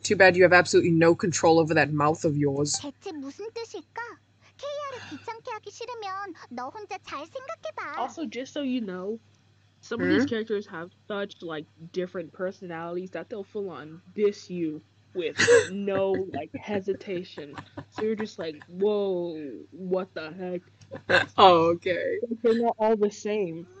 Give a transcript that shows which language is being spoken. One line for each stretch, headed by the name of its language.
English: Too bad you have absolutely no control over that mouth of yours.
Korean: 대체 무슨 뜻일까? KR을 귀찮게 하기 싫으면 너 혼자 잘 생각해봐.
English: Also, just so you know, some of these characters have such like different personalities that they'll full on diss you. With no, like, hesitation. So you're just like, whoa, what the heck? Oh, okay. Like, they're not all the same.